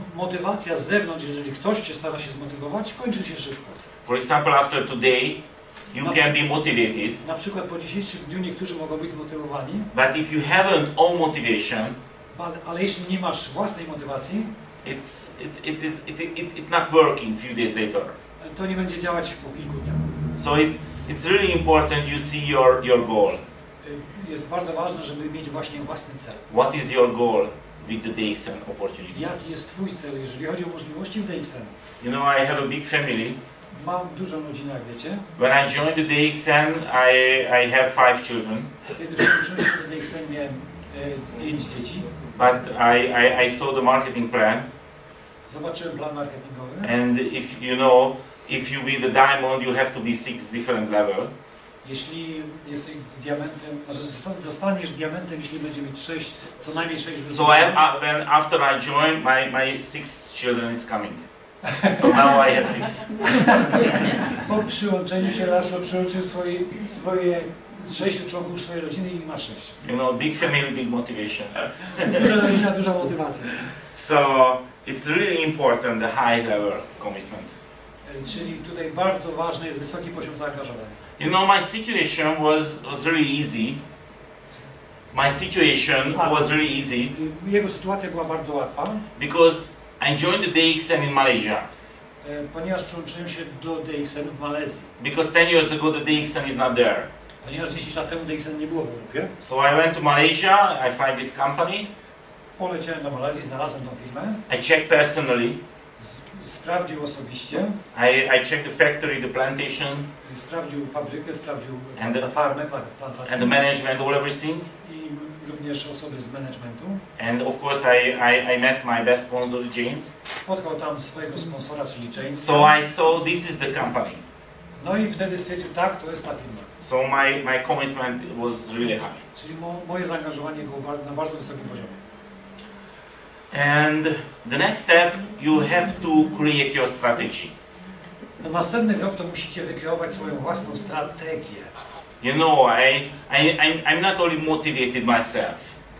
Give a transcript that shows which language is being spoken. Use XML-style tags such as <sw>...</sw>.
<pl>Motywacja z zewnątrz, jeżeli ktoś cię stara się zmotywować, kończy się szybko.</pl> <en>For example, after today, you can be motivated.</en> <pl>Na przykład po dzisiejszym dniu niektórzy mogą być zmotywowani.</pl> <en>But if you haven't own motivation,</en> <pl>ale jeśli nie masz własnej motywacji,</pl> <en>it's not working few days later.</en> <pl>To nie będzie działać po kilku dniach.</pl> <en>So it's really important you see your goal.</en> <pl>Jest bardzo ważne, żeby mieć właśnie własny cel.</pl> <en>What is your goal with the DXM opportunity?</en> <pl>Jaki jest twój cel, jeżeli chodzi o możliwości w DXM?</pl> <en>You know, I have a big family.</en> <pl>Mam dużą rodzinę, jak wiecie.</pl> <en>When I joined the DXM, I have 5 children.</en> <pl>Kiedy przyłączyłem się do DXM, miałem 5 dzieci.</pl> <en>But I saw the marketing plan.</en> <pl>Zobaczyłem plan marketingowy.</pl> <en>And if you know, if you be the diamond, you have to be 6 different levels.</en> <pl>Jeśli jesteś diamentem, zostaniesz diamentem, jeśli będzie mieć 6, co najmniej 6 wyzwań.</pl> <en>So then after I joined, my 6 children is coming. So now I have 6.</en> <pl>Po przyłączeniu się Laszlo przyłączył swoje sześciu członków swojej rodziny i ma sześć.</pl> <en>You know, big family, big motivation.</en> <pl>Duża rodzina, duża motywacja.</pl> <en>So it's really important, the high level commitment.</en> <pl>Czyli tutaj bardzo ważny jest wysoki poziom zaangażowania.</pl> <en>You know, my situation was really easy. My situation was really easy.</en> <pl>Jego sytuacja była bardzo łatwa.</pl> <en>Because I joined the DXN in Malaysia.</en> <pl>Ponieważ przyłączyłem się do DXN w Malezji.</pl> <en>Because 10 years ago the DXN is not there.</en> <pl>Ponieważ 10 lat temu DXN nie było w grupie.</pl> <en>So I went to Malaysia, I find this company.</en> <pl>Poleciałem do Malezji, znalazłem tą firmę.</pl> <en>I checked personally.</en> <pl>Sprawdził osobiście.</pl> <en>I checked the factory, the plantation.</en> <pl>Sprawdził fabrykę, sprawdził</pl> <en>and the</en> <pl>farmę, plantację.</pl> <en>And the management, all everything.</en> <pl>I również osoby z managementu.</pl> <en>And of course I met my best sponsor, Jane.</en> <pl>Spotkał tam swojego sponsora, czyli Jane.</pl> <en>So I saw this is the company.</en> <pl>No i wtedy stwierdził, tak, to jest ta firma.</pl> <en>So my commitment was really high.</en> <pl>Czyli moje zaangażowanie było na bardzo wysokim poziomie.</pl> <en>And the next step, you have to create your strategy.</en> <pl>No, następny krok to musicie wykreować swoją własną strategię.</pl> <en>You know, I'm not only motivated myself.</en>